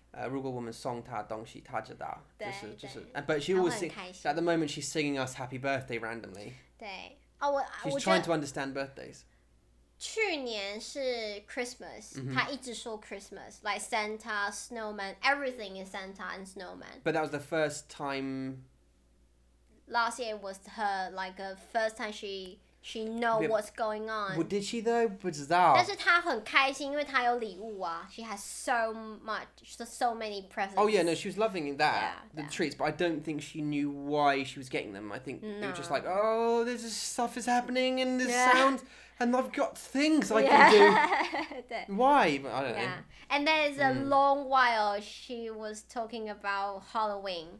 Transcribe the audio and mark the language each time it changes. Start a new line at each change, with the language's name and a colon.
Chinese: 如果我们送她东西，她知道。对。
English: 就是。But she always sings. At the moment, she's singing us happy birthday randomly.
Chinese: 对。哦，我。
English: She's trying to understand birthdays.
Chinese: 去年是
English: Christmas，
Chinese: 他一直说
English: Christmas， like Santa, snowman, everything is Santa and snowman. But that was the first time. Last year was her like a first time she know what's going on. Well, did she though?
Chinese: 不知道。但是她很开心，因为她有礼物啊。
English: She has so many presents. Oh yeah, no, she was loving that, the treats. But I don't think she knew why she was getting them. I think it was just like, oh, this stuff is happening and this sound. And I've got things I can do. Why? I don't know. And there's a long while she was talking about Halloween.